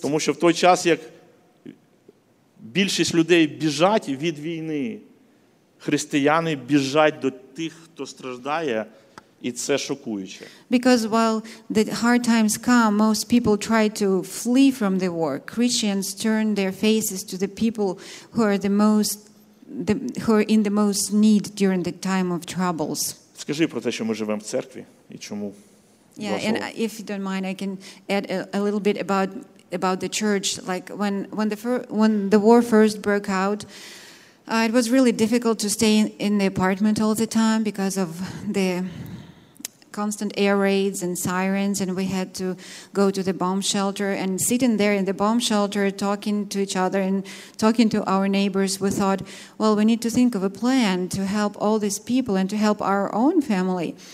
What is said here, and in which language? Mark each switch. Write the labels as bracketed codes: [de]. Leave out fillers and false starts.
[uk] Тому що в той час, як більшість людей біжать від війни, християни біжать до тих, хто страждає, і це шокуюче. [en] Because while the hard times come, most people try to flee from the war. Christians turn their faces to the people who are the most who are in the most need during the time of troubles. [uk] Скажи про те, що ми живемо в церкві і чому. [en] Yeah, and if you don't mind, I can add a little bit about the church. Like when the war first broke out, it was really difficult to stay in the apartment all the time because of the constant air raids and sirens, and we had to go to the bomb shelter and sitting there in the bomb shelter talking to each other and talking to our neighbors, we thought, well, we need to think of a plan to help all these people and to help our own family.